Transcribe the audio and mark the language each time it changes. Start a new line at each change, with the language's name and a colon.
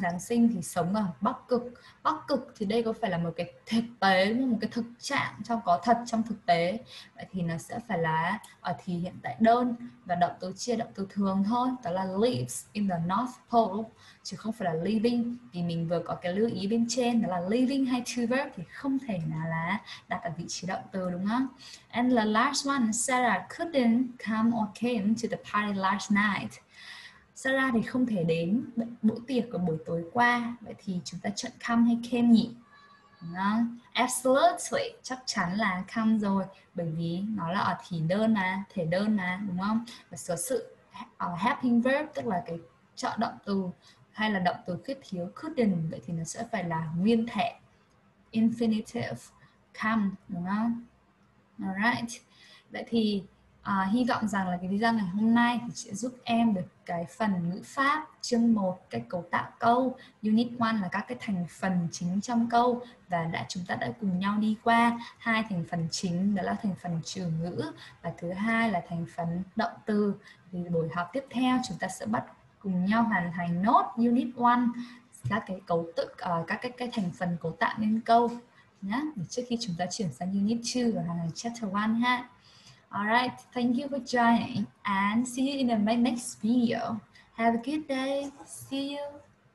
Vietnamese: Giáng sinh thì sống ở Bắc Cực. Bắc Cực thì đây có phải là một cái thực tế, một cái thực trạng trong có thật trong thực tế. Vậy thì nó sẽ phải là ở thì hiện tại đơn và động từ chia động từ thường thôi. Đó là
English: lives in the North Pole
Vietnamese: chứ không phải là living. Vì mình vừa có cái lưu ý bên trên đó là living hay to verb thì không thể nào là đặt ở vị trí động từ đúng không?
English: And the last one, Sarah couldn't come or came to the party last night.
Vietnamese: Sarah thì không thể đến bữa tiệc của buổi tối qua. Vậy thì chúng ta chọn come hay came nhỉ? Đúng không? Absolutely, chắc chắn là come rồi. Bởi vì nó là ở thì đơn mà, thể đơn mà, đúng không? Và số sự helping verb, tức là cái chọn động từ hay là động từ khuyết thiếu couldn't, vậy thì nó sẽ phải là nguyên thể infinitive come, đúng không? Alright, vậy thì hy vọng rằng là cái video ngày hôm nay thì sẽ giúp em được cái phần ngữ pháp chương 1, cái cấu tạo câu, unit 1 là các cái thành phần chính trong câu, và đã chúng ta đã cùng nhau đi qua hai thành phần chính, đó là thành phần trừ ngữ và thứ hai là thành phần động từ. Thì buổi học tiếp theo chúng ta sẽ bắt cùng nhau hoàn thành nốt unit 1, các cái cấu tự các cái thành phần cấu tạo nên câu nhá, trước khi chúng ta chuyển sang unit 2 và hoàn thành chapter 1 ha.
English: Alright, thank you for joining and see you in my next video. Have a good day. See you.